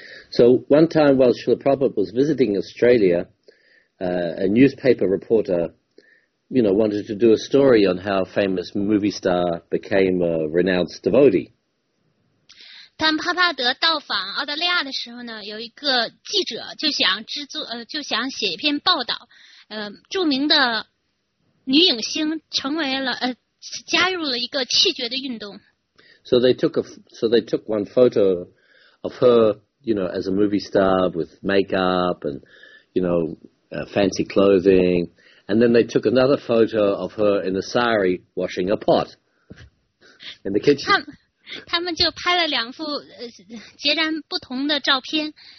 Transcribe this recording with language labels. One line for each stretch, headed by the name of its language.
English: So one time while Srila Prabhupada was visiting Australia, a newspaper reporter, wanted to do a story on how a famous movie star became a renounced devotee.
Chinese: 当帕帕德到访澳大利亚的时候呢，有一个记者就想写一篇报道，著名的女影星成为了加入了一个弃绝的运动。
English: So they took one photo of her, as a movie star with makeup and, fancy clothing. And then they took another photo of her in a sari washing a pot in the kitchen.
Chinese: 他们就拍了两幅截然不同的照片。